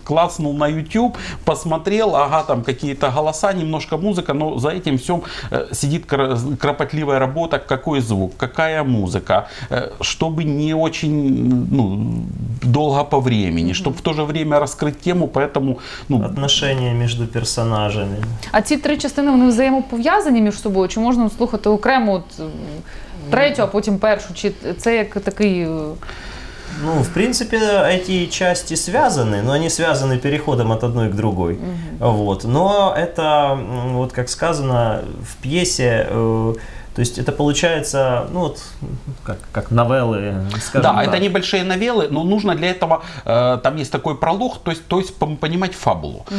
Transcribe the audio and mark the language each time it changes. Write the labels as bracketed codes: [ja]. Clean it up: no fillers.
[ru] Клацнул на YouTube, посмотрел, ага, там какие-то голоса, немножко музыка, но за этим всем сидит кропотливая работа, какой звук, какая музыка, чтобы не очень ну, долго по времени, чтобы в то же время раскрыть тему, поэтому... Ну... Отношения между персонажами. [uk] А ці три частини, вони взаємопов'язані між собою, чи можна слухати окремо третю, а потім першу, чи це як такий... [ru] Ну, в принципе, эти части связаны, но они связаны переходом от одной к другой. Вот. Но это, вот как сказано в пьесе, то есть это получается, ну вот, как новеллы, скажем так. Да, это небольшие новеллы, но нужно для этого, там есть такой пролог, то есть понимать фабулу.